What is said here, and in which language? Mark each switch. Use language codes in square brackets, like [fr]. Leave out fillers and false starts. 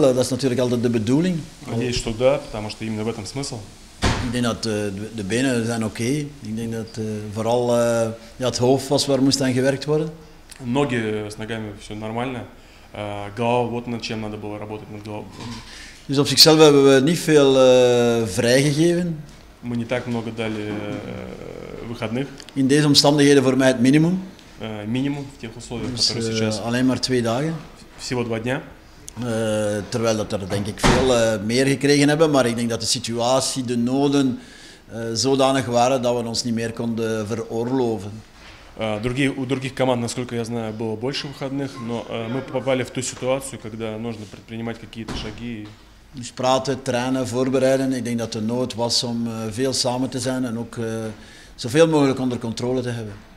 [nl] Dat is natuurlijk altijd de bedoeling. Hij is toch daar, daarom is hij in de wet om smissel. Ik denk dat de benen zijn oké. Okay. Ik denk dat vooral het hoofd was waar moest aan gewerkt worden. [ru] Ноги с ногами все нормально. Голова вот над чем надо было работать над головой. [nl] Dus op zichzelf hebben we niet veel vrijgegeven. [ru] Мы не так много дали выходных. [nl] In deze omstandigheden voor mij het minimum. [ru] Минимум в тех условиях, которые сейчас. [nl] Alleen maar 2 dagen. [ru] Всего 2 дня. [nl] Terwijl dat er denk ik veel meer gekregen hebben, maar ik denk dat de situatie, de noden zodanig waren dat we ons niet meer konden veroorloven. [ru] У других команд, насколько я знаю, было больше выходных, но мы попали в ту ситуацию, когда нужно предпринимать какие-то шаги. [nl] Dus praten, trainen, voorbereiden. Ik denk dat de nood was om veel samen te zijn en ook zoveel mogelijk onder controle te hebben.